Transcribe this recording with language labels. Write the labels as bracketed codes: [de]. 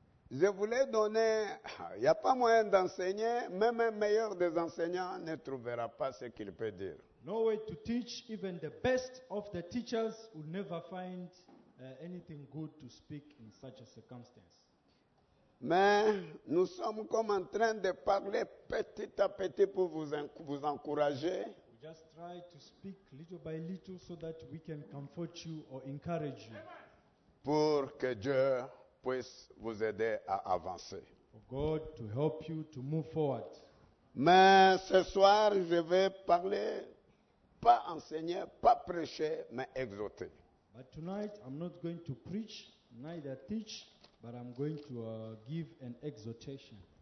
[fr] je voulais donner, il n'y a pas moyen d'enseigner, même un meilleur des enseignants ne trouvera pas ce qu'il peut dire. [en] No way to teach, even the best of the teachers will never find anything good to speak in such a circumstance. [fr] Mais nous sommes comme en train de parler petit à petit pour vous encourager. [en] We just try to speak little by little so that we can comfort you or encourage you. [fr] Pour que Dieu puisse vous aider à avancer. [en] For God to help you to move forward. [fr] Mais ce soir, je vais parler, pas enseigner, pas prêcher, mais exhorter. [en] But tonight, I'm not going to preach, neither teach, but I'm going to give an exhortation.